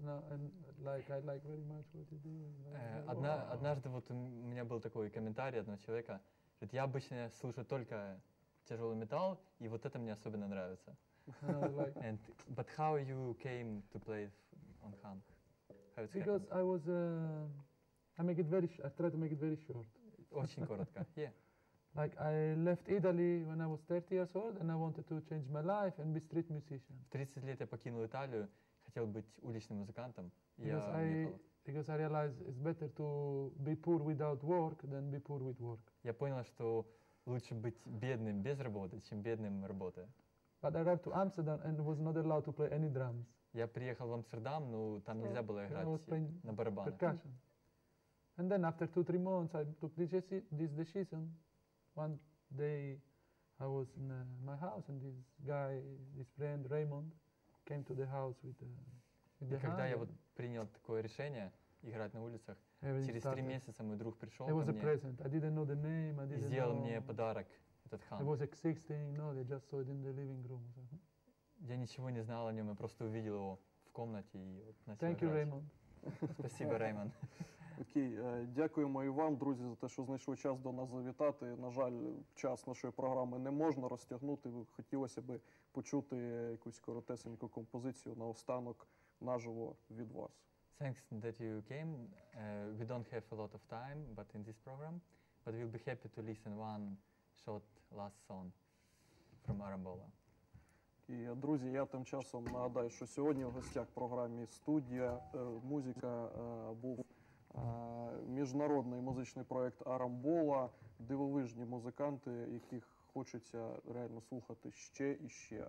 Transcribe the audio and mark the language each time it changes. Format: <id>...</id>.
<en>And I like very much what you do.</en> <ru>Однажды вот у меня был такой комментарий одного человека. Говорит, я обычно слушаю только тяжелый металл, и вот это мне особенно нравится.</ru> <en>And but how you came to play on hang? How it's because happened? I was I try to make it very short.</en> <ru>Очень коротко.</ru> <en>Yeah. Like I left Italy when I was 30 years old and I wanted to change my life and be street musician.</en> <ru>В 30 лет я покинул Италию, хотел быть уличным музыкантом.</ru> <en>Because I realized it's better to be poor without work than be poor with work.</en> <ru>Я понял, что лучше быть бедным без работы, чем бедным работая.</ru> <en>But I arrived to Amsterdam and was not allowed to play any drums.</en> <ru>Я приехал в Амстердам, но там нельзя было играть на барабанах.</ru> <en>Percussion. And then after 2-3 months I took this decision. One day I was in my house and this guy, this friend Raymond came to the house with the</en> <ru>И когда я вот принял такое решение играть на улицах, через 3 месяца мой друг пришёл ко мне.</ru> <en>It was a present. I didn't know the name.</en> <ru>И сделал мне подарок. Этот хан.</ru> <en>It was existing. No, they just saw it in the living room.</en> <ru>Я ничего не знал о нем, я просто увидел его в комнате и вот начал.</ru> <en>Thank you, Raymond.</en> <ru>Спасибо, Raymond.</ru> <uk>Окей, дякуємо і вам, друзі, за те, що знайшли час до нас завітати. На жаль, час нашої програми не можна розтягнути. Хотілося б почути якусь коротесеньку композицію наостанок наживо від вас.</uk> <en>С thanks that you came. We don't have a lot of time, but in this program, but we'll be happy to listen one short last song from Arambola.</en> <uk>І, друзі, я тим часом нагадаю, що сьогодні в гостях в програмі «Студія музика» був міжнародний музичний проєкт «Арамбола». Дивовижні музиканти, яких хочеться реально слухати ще і ще.</uk>